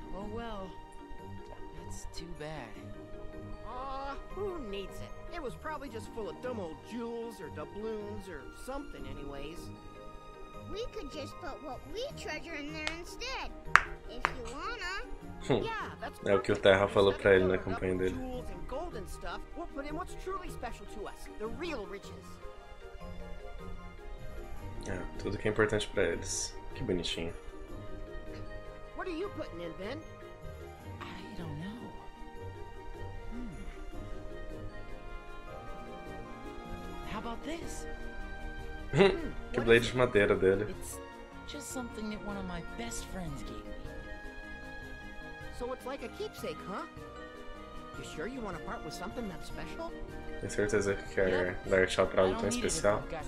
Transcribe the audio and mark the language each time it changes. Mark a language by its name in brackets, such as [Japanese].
[English] Oh well, that's too bad. Who needs it? It was probably just full of dumb old jewels or doubloons or something anyways. We could just put what we treasure in there instead, if you wanna. Yeah, that's perfect. [Portuguese] É o que o Terra falou pra ele na campanha dele. [English] Jewels and gold and stuff, we'll put in what's truly special to us, the real riches. [Portuguese] É, tudo que é importante pra eles. Que bonitinho. [English] What are you putting in, Ben? I don't know. How about this? [Portuguese] Que blade de madeira dele. [English] It's just something that one of my best friends gave me. So it's like a keepsake, huh? You sure you want to part with something that special? [Portuguese] Tem certeza que quer dar tchau pra algo tão especial?